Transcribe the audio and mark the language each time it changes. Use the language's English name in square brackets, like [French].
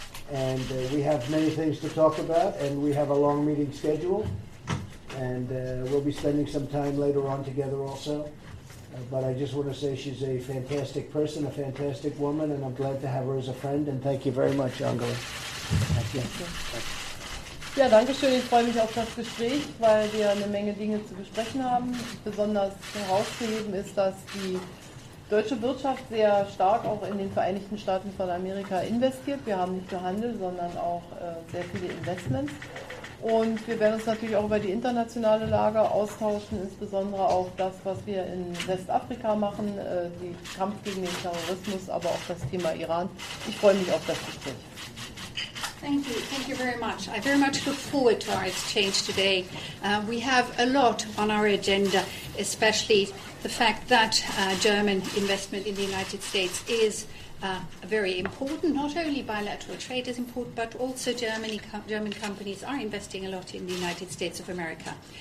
[English] And we have many things to talk about, and we have a long meeting schedule. And we'll be spending some time later on together also. But I just want to say she's a fantastic person, a fantastic woman, and I'm glad to have her as a friend. And thank you very much, Angela. Thank you. [German] Ja, danke schön. Ich freue mich auf das Gespräch, weil wir eine Menge Dinge zu besprechen haben. Besonders herauszuheben ist, dass die deutsche Wirtschaft sehr stark auch in den Vereinigten Staaten von Amerika investiert. Wir haben nicht nur Handel, sondern auch sehr viele Investments. Und wir werden uns natürlich auch über die internationale Lage austauschen, insbesondere auch das, was wir in Westafrika machen, den Kampf gegen den Terrorismus, aber auch das Thema Iran. Ich freue mich auf das Gespräch. [English] Thank you very much. I very much look forward to our exchange today. We have a lot on our agenda, especially the fact that German investment in the United States is very important. Not only bilateral trade is important, but also German companies are investing a lot in the United States of America.